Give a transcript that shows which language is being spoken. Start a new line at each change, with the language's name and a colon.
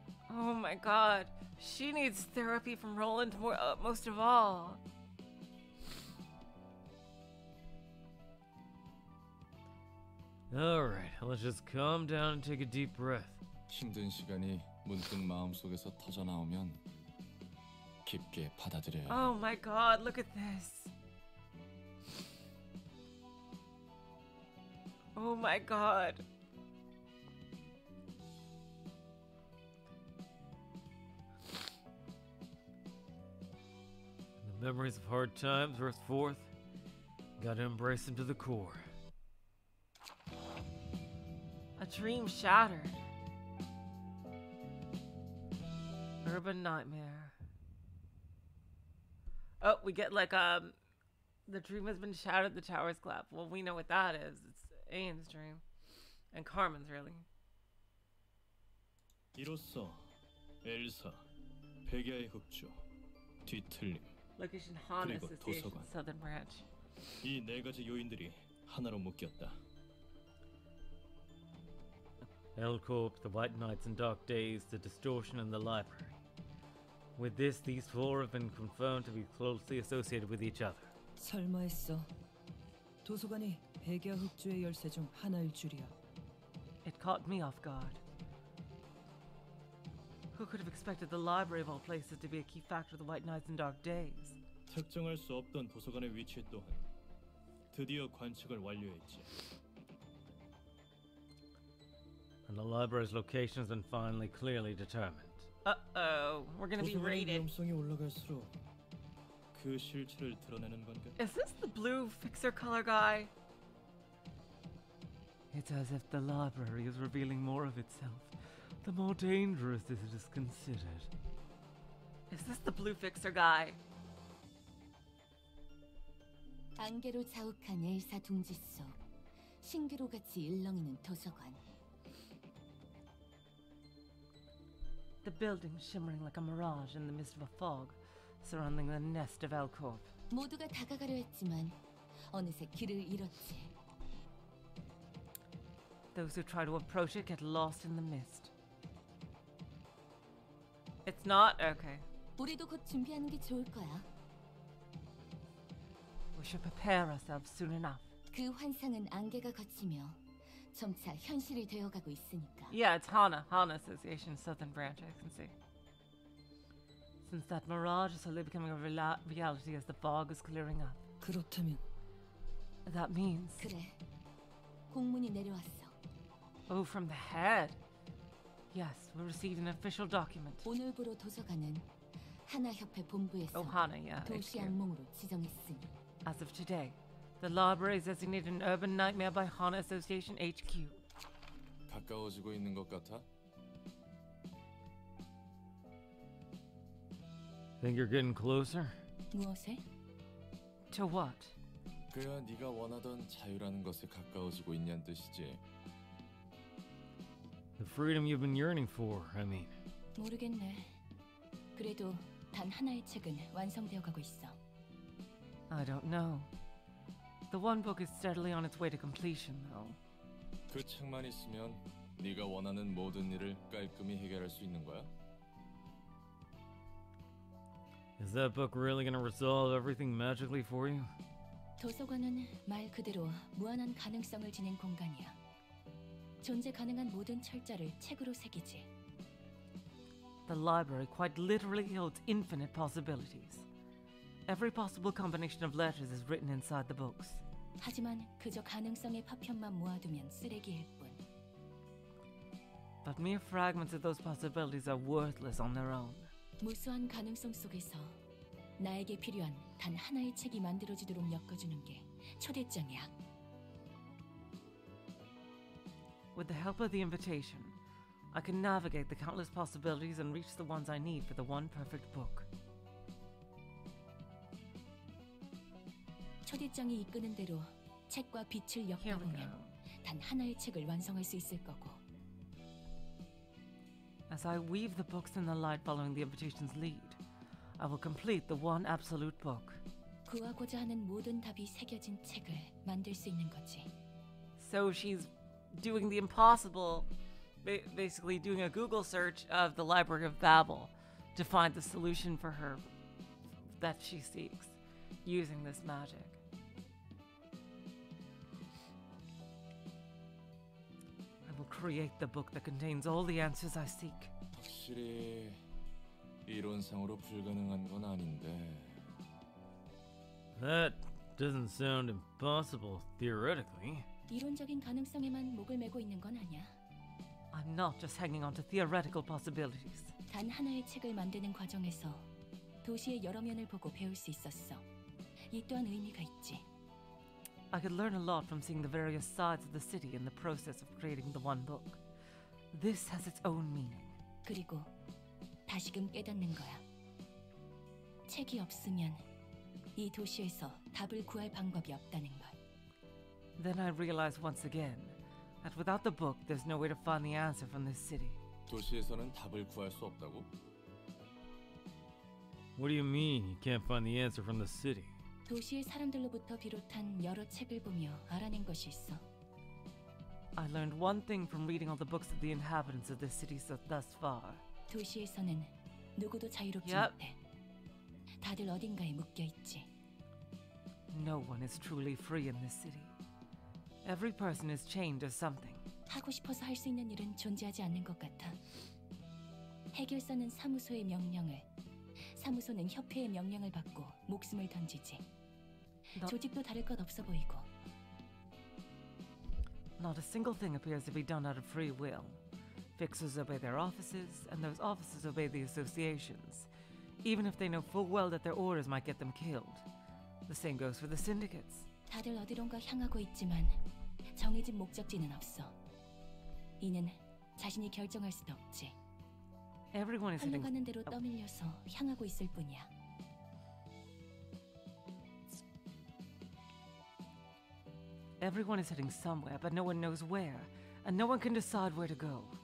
English: Oh my god. She needs therapy from Roland more, most of all. Alright, let's just calm down and take a deep breath.
Korean: 힘든 시간이 문득 마음속에서 터져 나오면 깊게 받아들여요.
English: Oh my god, look at this. Oh my god. The memories of hard times burst forth. Gotta embrace him to the core. A dream shattered. Urban nightmare. Oh, we get like, the dream has been shattered, the tower's clap. Well, we know what that is. It's Aeon's dream. And Carmen's, really.
Korean: 이로써 엘사, 백야의 흑조, 뒤틀림, 그리고 도서관, 서든 브랜치. 이 네 가지 요인들이 하나로 묶였다.
English: El Corp, the White Nights and Dark Days, the Distortion and the Library. With this, these four have been confirmed to be closely associated with each other.
Korean: 설마했어. 도서관이 백야 흑주의 열쇠 중 하나일 줄이야.
English: It caught me off guard. Who could have expected the library of all places to be a key factor of the White Nights and Dark Days?
Korean: 특정할 수 없던 도서관의 위치 또한 드디어 관측을 완료했지.
English: And the library's location has been finally clearly determined. Uh-oh, we're gonna be raided.
Korean: 위험성이 올라갈수록 그 실체를 드러내는 건가?
English: Is this the blue fixer color guy? It's as if the library is revealing more of itself, the more dangerous as it is considered. Is this the blue fixer guy?
Korean: 안개로 자욱한 엘사 둥지 속 신기루 같이 일렁이는 도서관.
English: The building shimmering like a mirage in the midst of a fog, surrounding the nest of Elcorp.
Korean: 모두가 다가가려 했지만 어느새 길을 잃었지.
English: Those who try to approach it get lost in the mist. It's not okay.
Korean: 우리도 곧 준비하는 게 좋을 거야.
English: We should prepare ourselves soon enough.
Korean: 그 환상은 안개가 걷히며 점차 현실이 되어가고 있으니까.
English: Yeah, it's Hana. Hana Association, Southern Branch, I can see. Since that mirage is slowly becoming a reality as the fog is clearing up.
Korean: 그렇다면.
English: That means.
Korean: 그래. 공문이 내려왔어.
English: Oh, from the head. Yes, we received an official document.
Korean: 오늘부로 도서관은 하나 협회 본부에서
English: oh, Hana, yeah,
Korean: 도시 안목으로 지정했으니.
English: As of today. The library is designated an urban nightmare by Hana Association HQ.
Korean: 가까워지고 있는 것 같아?
English: Think you're getting closer?
Korean: 무엇에?
English: To what?
Korean: 그야 네가 원하던 자유라는 것에 가까워지고 있냐는 뜻이지.
English: The freedom you've been yearning for, I mean.
Korean: 모르겠네. 그래도 단 하나의 책은 완성되어 가고 있어.
English: I don't know. The one book is steadily on its way to completion, though.
Korean: 그 책만 있으면 네가 원하는 모든 일을 깔끔히 해결할 수 있는 거야?
English: Is that book really gonna resolve everything magically for you?
Korean: 도서관은 말 그대로 무한한 가능성을 지닌 공간이야. 존재 가능한 모든 철자를 책으로 새기지.
English: The library quite literally holds infinite possibilities. Every possible combination of letters is written inside the books.
Korean: 하지만 그저 가능성의 파편만 모아두면 쓰레기일 뿐.
English: But mere fragments of those possibilities are worthless on their own.
Korean: 무수한 가능성 속에서 나에게 필요한 단 하나의 책이 만들어지도록 엮어주는 게 초대장이야.
English: With the help of the invitation, I can navigate the countless possibilities and reach the ones I need for the one perfect book.
Korean: 초대장이 이끄는 대로 책과 빛을 엮어보면 단 하나의 책을 완성할 수 있을 거고.
English: As I weave the books in the light following the invitation's lead, I will complete the one absolute book.
Korean: 구하고자 하는 모든 답이 새겨진 책을 만들 수 있는 거지.
English: So she's doing the impossible, basically doing a Google search of the Library of Babel to find the solution for her that she seeks using this magic. Create the book that contains all the answers I seek.
Korean: 확실히 이론상으로 불가능한 건 아닌데.
English: That doesn't sound impossible theoretically.
Korean: 이론적인 가능성에만 목을 메고 있는 건 아니야.
English: I'm not just hanging on to theoretical possibilities.
Korean: 단 하나의 책을 만드는 과정에서 도시의 여러 면을 보고 배울 수 있었어. 이 또한 의미가 있지.
English: I could learn a lot from seeing the various sides of the city in the process of creating the one book. This has its own meaning.
Korean: 그리고 다시금 깨닫는 거야. 책이 없으면 이 도시에서 답을 구할 방법이 없다는 것.
English: Then I realized once again that without the book, there's no way to find the answer from this city.
Korean: 도시에서는 답을 구할 수 없다고?
English: What do you mean you can't find the answer from the city?
Korean: 도시의 사람들로부터 비롯한 여러 책을 보며 알아낸 것이 있어.
English: I learned one thing from reading all the books of the inhabitants of this city so thus far.
Korean: 도시에서는 누구도 자유롭지 못해. 다들 어딘가에 묶여 있지.
English: No one is truly free in this city. Every person is chained to something.
Korean: 하고 싶어서 할 수 있는 일은 존재하지 않는 것 같아. 해결사는 사무소의 명령을, 사무소는 협회의 명령을 받고 목숨을 던지지. 조직도 다를 것 없어 보이고.
English: Not a single thing appears to be done out of free will. Fixers obey their offices, and those offices obey the associations, even if they know full well that their orders might get them killed. The same goes for the syndicates.
Korean: 다들 어디론가 향하고 있지만 정해진 목적지는 없어. 이는 자신이 결정할 수도 없지.
English: Everyone is
Korean: 흘러가는 대로 떠밀려서 향하고 있을 뿐이야.
English: Everyone is heading somewhere, but no one knows where, and no one can decide where to go.